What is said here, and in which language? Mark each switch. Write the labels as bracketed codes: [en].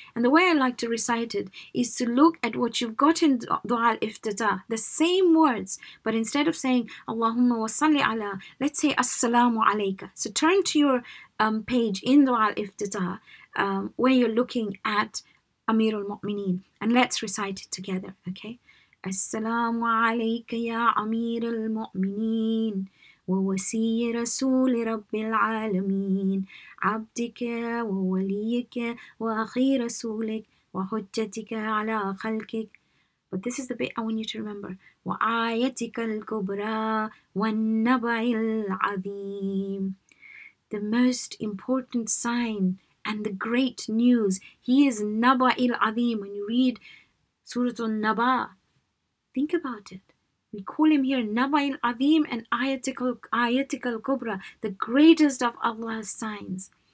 [en] And the way I like to recite it is to look at what you've got in Dua al-Iftitah, the same words, but instead of saying Allahumma wa salli ala, let's say Assalamu alayka. So turn to your page in Dua al-Iftitah where you're looking at Amirul Mu'mineen, and let's recite it together, okay? [ar] السلام عليك يا أمير المؤمنين ووسي رسول رب العالمين عبدك ووليك وأخي رسولك وحجتك على خلقك. [en] But this is the bit I want you to remember. [ar] وآيتك الكبرى والنبع العظيم. [en] The most important sign and the great news. He is Naba'il Azim. When you read Surah Al-Naba, think about it. We call him here Naba'il Azim and Ayatikal Kubra, the greatest of Allah's signs.